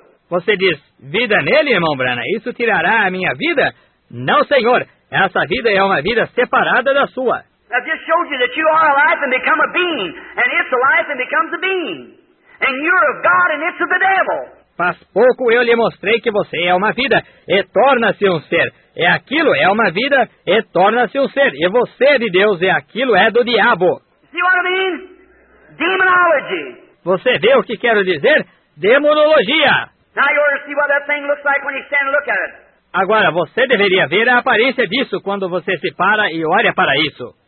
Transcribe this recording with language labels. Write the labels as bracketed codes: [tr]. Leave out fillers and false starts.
[pt] Você diz, vida nele, irmão Branham, isso tirará a minha vida? Não, senhor, essa vida é uma vida separada da sua. [en] I just showed you that you are alive and become a being, and it's alive and becomes a being. And you're of God and it's of the devil. [pt] Faz pouco eu lhe mostrei que você é uma vida e torna-se um ser. É aquilo, é uma vida e torna-se um ser. E você é de Deus e aquilo é do diabo. [en] See what I mean? Demonology. [pt] Você vê o que quero dizer? Demonologia. [en] Now you ought to see what that thing looks like when you stand and look at it. [pt] Agora, você deveria ver a aparência disso quando você se para e olha para isso.